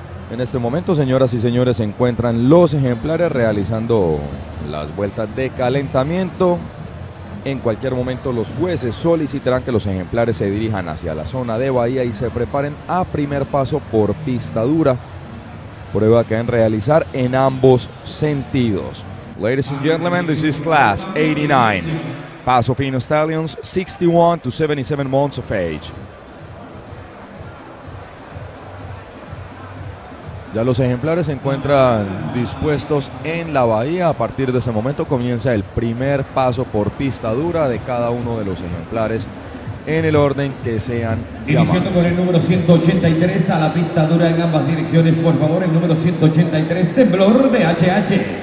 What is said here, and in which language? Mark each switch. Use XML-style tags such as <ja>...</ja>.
<es>En este momento, señoras y señores, se encuentran los ejemplares realizando las vueltas de calentamiento. En cualquier momento los jueces solicitarán que los ejemplares se dirijan hacia la zona de Bahía y se preparen a primer paso por pista dura, prueba que deben realizar en ambos sentidos.</es> <en>Ladies and gentlemen, this is class 89, Paso Fino Stallions, 61 to 77 months of age.</en> <es>Ya los ejemplares se encuentran dispuestos en la bahía. A partir de ese momento comienza el primer paso por pista dura de cada uno de los ejemplares en el orden que sean llamados. Iniciando con el número 183 a la pista dura en ambas direcciones, por favor, el número 183, Temblor de HH.</es>